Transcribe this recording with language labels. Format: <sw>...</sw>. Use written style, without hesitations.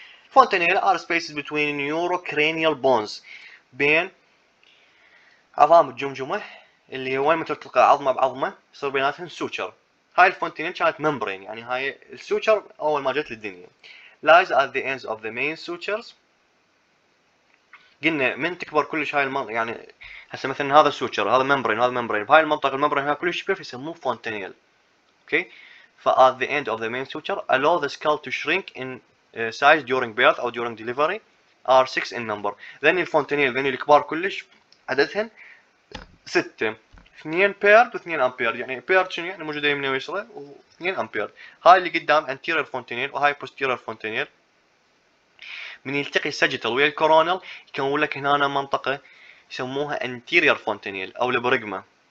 <en>fontanelle are spaces between neuro cranial bones,</en> <ar>بين عظام الجمجمه اللي هو وين ما تلتقى عظمه بعظمه يصير بيناتهم سوتشر. هاي الفونتينيل كانت ممبرين، يعني هاي السوتشر اول ما جت للدنيا.</ar> <en>lies at the ends of the main sutures،</en> <ar>قلنا من تكبر كلش هاي المنطقه، يعني هسه مثلا هذا سوتشر، هذا ممبرين، هذا ممبرين، هاي المنطقه الممبرين هاي كلش كبير فيسموه فونتينيل.</ar> <en>Okay ف at the end of the main suture allow the skull to shrink in size during birth or during delivery are 6 in number.</en> <ar>ذني الفونتينيل ذني الكبار كلش عددهم 6، 2 بيرد و2 امبير، يعني بيرد شنو يعني موجوده يمنى ويسرى و2 امبير. هاي اللي قدام انتيرير فونتينيل وهاي بوستيرير فونتينيل، من يلتقي السجيتال ويا الكورونال يكون لك هنا منطقه يسموها انتيرير فونتينيل او البريغما.</ar>